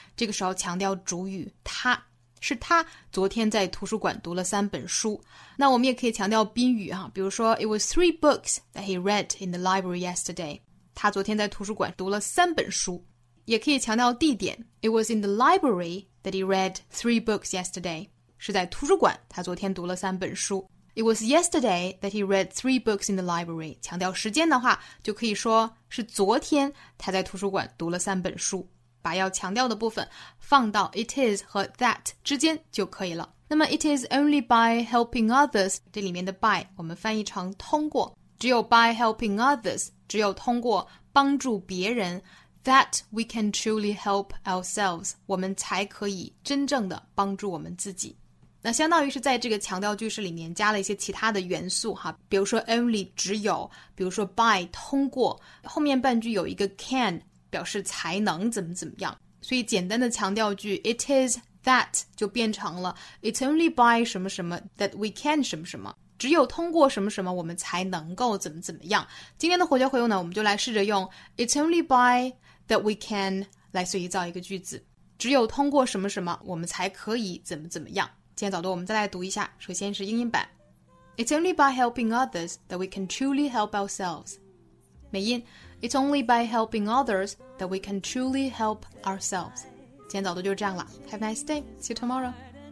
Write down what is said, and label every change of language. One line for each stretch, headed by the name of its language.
Chinese: 这个时候强调主语，他，是他昨天在图书馆读了三本书。那我们也可以强调宾语哈，比如说
English: It was 3 books that he read in the library yesterday.
Chinese: 他昨天在图书馆读了三本书。也可以强调地点，
English: It was in the library that he read 3 books yesterday.
Chinese: 是在图书馆他昨天读了三本书。
English: It was yesterday that he read 3 books in the library.
Chinese: 强调时间的话，就可以说是昨天他在图书馆读了三本书。把要强调的部分放到 it is 和 that 之间就可以了。那么
English: it is only by helping others,
Chinese: 这里面的 by 我们翻译成通过。只有
English: by helping others,
Chinese: 只有通过帮助别人
English: that we can truly help ourselves,
Chinese: 我们才可以真正的帮助我们自己。那相当于是在这个强调句式里面加了一些其他的元素哈，比如说 only 只有，比如说 by 通过，后面半句有一个 can 表示才能怎么怎么样，所以简单的强调句 it is that 就变成了 it's only by 什么什么 that we can 什么什么，只有通过什么什么我们才能够怎么怎么样。今天的活学会用呢，我们就来试着用 it's only by that we can 来随意造一个句子，只有通过什么什么我们才可以怎么怎么样。今天早读我们再来读一下，首先是英音版。
English: It's only by helping others that we can truly help ourselves.
Chinese: 美音
English: It's only by helping others that we can truly help ourselves.
Chinese: 今天早读就这样了。
English: Have a nice day. See you tomorrow.